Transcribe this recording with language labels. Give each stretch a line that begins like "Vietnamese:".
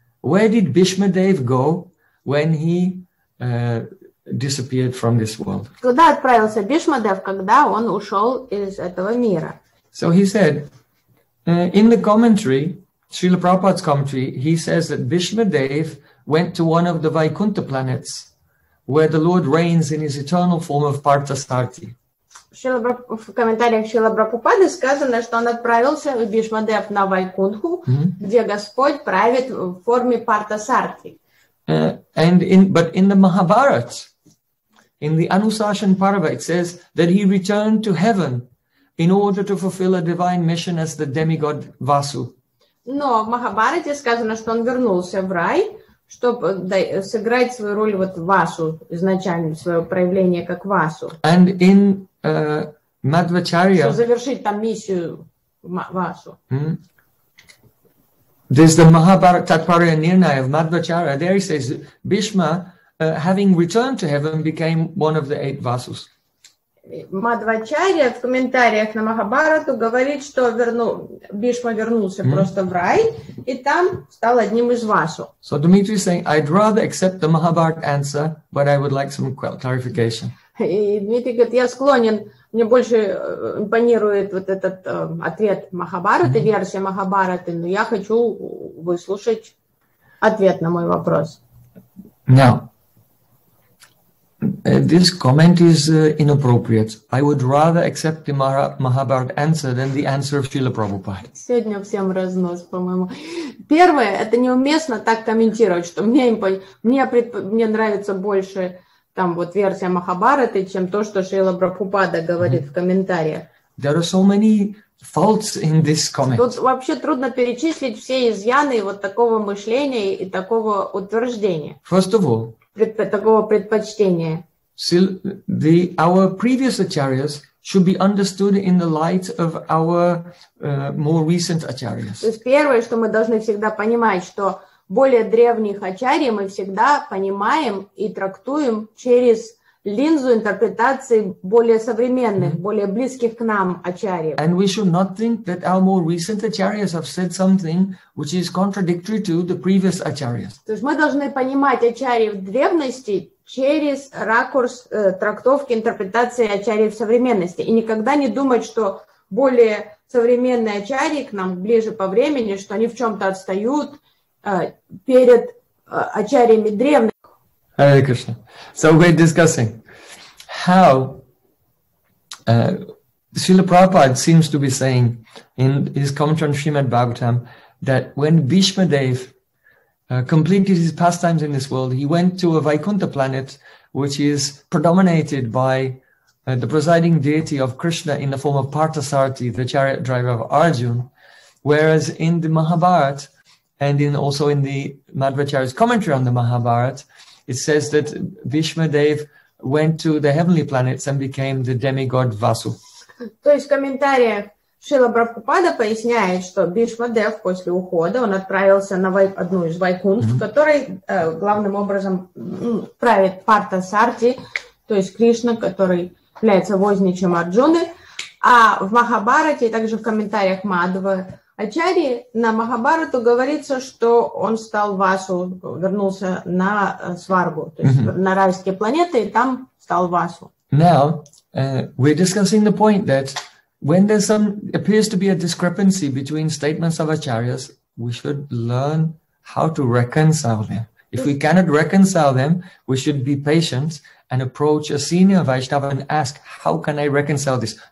English: Where did Bhishma Dev go when he disappeared from this world?
Russian: Куда отправился Бишма Дев, когда он ушел из этого мира?
English: So he said, in the commentary, Srila Prabhupada's commentary, he says that Bhishma Dev went to one of the Vaikuntha planets, where the Lord reigns in his eternal form of Partha-Sarthi.
Russian: В комментариях Шрилы Прабхупады сказано, что он отправился в Бхишма Дев на Вайкунху, где Господь правит в форме Партасарти.
English: But in the Mahabharat, in the Anusashan Parva, it says that he returned to heaven in order to fulfill a divine mission as the demigod Vasu.
Russian: Но в Махабарате сказано, что он вернулся в рай, чтобы сыграть свою роль вот Васу, изначально свое проявление как Васу.
English: And in Madhvacharya,
Russian: чтобы завершить там миссию Васу.
English: There's the Mahabharata Tatparya Nirnaya of Madhvacharya. There he says, Bhishma, having returned to heaven, became one of the eight Vasus.
Russian: Мадхвачарья в комментариях на Махабарату говорит, что Бишма вернулся просто в рай, и там стал одним из Васу.
English: So Dmitry is saying, I'd rather accept the Mahabharata answer, but I would like some clarification.
Russian: И Дмитрий говорит, я склонен, мне больше импонирует вот этот ответ Махабараты, версия Махабараты, но я хочу выслушать ответ на мой вопрос.
English: Now. This comment is inappropriate. I would rather accept the Mahabharata answer than the answer of Srila Prabhupada.
Russian: Сегодня всем разнос, по-моему. Первое, это неуместно так комментировать, что мне нравится больше там вот версия Махабхараты, чем то, что Шрила Прабхупада говорит в комментариях.
English: There are so many faults in this comment.
Russian: Тут вообще трудно перечислить все изъяны вот такого мышления и такого утверждения.
English: First of all,
Russian: такого предпочтения.
English: Our previous acharyas should be understood in the light of our more recent acharyas.
Russian: То есть первое, что мы должны всегда понимать, что более древних ачарий мы всегда понимаем и трактуем через линзу интерпретации более современных, более близких к нам ачарьев.
English: And we should not think that our more recent acharyas have said something which is contradictory to the previous acharyas.
Russian: То есть мы должны понимать ачарьев древности через ракурс трактовки интерпретации ачарьев современности и никогда не думать, что более современные ачарьи к нам ближе по времени, что они в чем-то отстают перед ачарьями древних.
English: Hare Krishna. So we're discussing how Srila Prabhupada seems to be saying in his commentary on Srimad Bhagavatam that when Bhishma Dev completed his pastimes in this world, he went to a Vaikuntha planet which is predominated by the presiding deity of Krishna in the form of Partasarathi, the chariot driver of Arjuna, whereas in the Mahabharata and in also in the Madhvacharya's commentary on the Mahabharata, it says that Bhishma Dev went to the heavenly planets and became the demigod Vasu.
Russian: То есть в комментариях Шрила Прабхупада поясняет, что Бишма Дев после ухода он отправился на одну из Вайкунтх, которой главным образом правит Партха Сарти, то есть Кришна, который является возничем Арджуны. А в Махабарате и также в комментариях Мадхвы Ачари на Махабарату говорится, что он стал Васу, вернулся на Сваргу, то есть mm-hmm. на райские планеты, и там стал Васу.
English: Now, we're discussing the point that when there's some appears to be a discrepancy between statements of acharyas, we should learn how to reconcile them. If we cannot reconcile them, we should be patient and approach a senior Vaishnava and ask, how can I reconcile this?